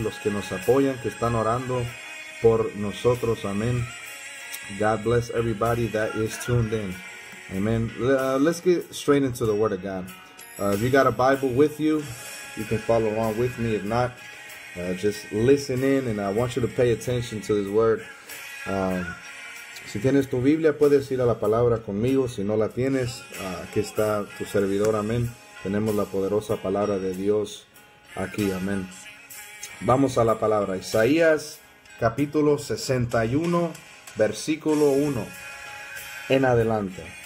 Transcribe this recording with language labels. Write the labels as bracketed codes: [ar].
[es] Los que nos apoyan, que están orando por nosotros, amén. [en] God bless everybody that is tuned in. Amen. Let's get straight into the word of God. If you got a Bible with you, you can follow along with me. If not, just listen in, and I want you to pay attention to this word. [es] Si tienes tu Biblia, puedes ir a la palabra conmigo. Si no la tienes, aquí está tu servidor. Amén. Tenemos la poderosa palabra de Dios aquí. Amén. Vamos a la palabra. Isaías, capítulo 61, versículo 1 en adelante.